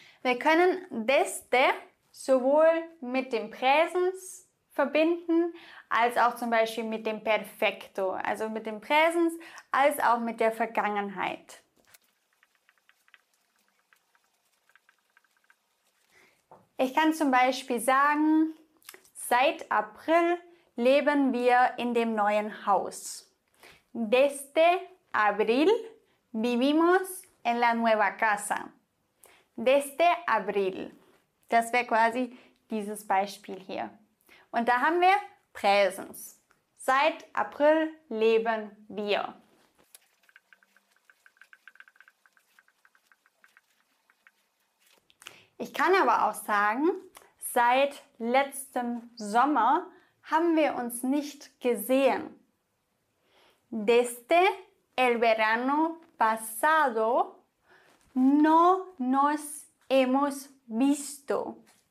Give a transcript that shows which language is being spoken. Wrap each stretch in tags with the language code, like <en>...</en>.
<de>Wir können desde sowohl mit dem Präsens verbinden, als auch zum Beispiel mit dem Perfecto, also mit dem Präsens, als auch mit der Vergangenheit. Ich kann zum Beispiel sagen, seit April leben wir in dem neuen Haus.</de> <es>Desde abril vivimos en la nueva casa. Desde abril.</es> <de>Das wäre quasi dieses Beispiel hier. Und da haben wir Präsens. Seit April leben wir. Ich kann aber auch sagen, seit letztem Sommer haben wir uns nicht gesehen.</de> <es>Desde el verano pasado no nos hemos visto.</es>